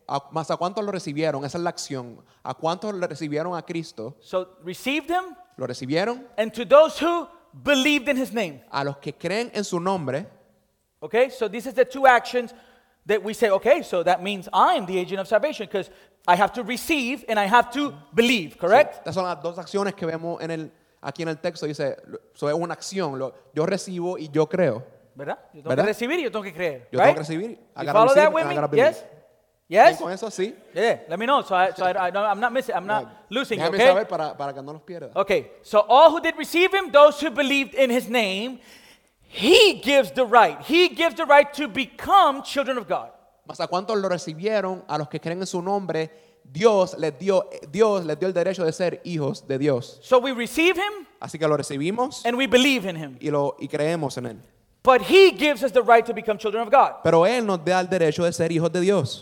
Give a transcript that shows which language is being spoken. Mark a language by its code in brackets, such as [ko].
[es] Mas a cuánto lo recibieron, esa es la acción. A cuánto lo recibieron a Cristo. [en] So received him. [es] Lo recibieron. [en] And to those who believed in his name. [es] A los que creen en su nombre. [en] Okay, so these are the two actions that we say, okay, so that means I'm the agent of salvation because I have to receive and I have to believe, correct? [es] Sí, esas son las dos acciones que vemos aquí en el texto. Dice, eso es una acción. Yo recibo y yo creo. ¿Verdad? Yo tengo ¿verdad? Que recibir y yo tengo que creer, yo [en] right? [es] Tengo que recibir. [en] You follow that with me? Yes? Yes? [es] Con eso, sí. [en] Yeah, let me know. So I'm not losing, [es] déjame [en] okay? [es] Saber para que no los pierda. [en] Okay, so all who did receive him, those who believed in his name, he gives the right. He gives the right to become children of God. [es] Mas a cuántos lo recibieron, a los que creen en su nombre, Dios les dio el derecho de ser hijos de Dios. [en] So we receive him. [es] Así que lo recibimos. [en] And we believe in him. [es] Y creemos en él. [en] But he gives us the right to become children of God. [es] Pero él nos da el derecho de ser hijos de Dios.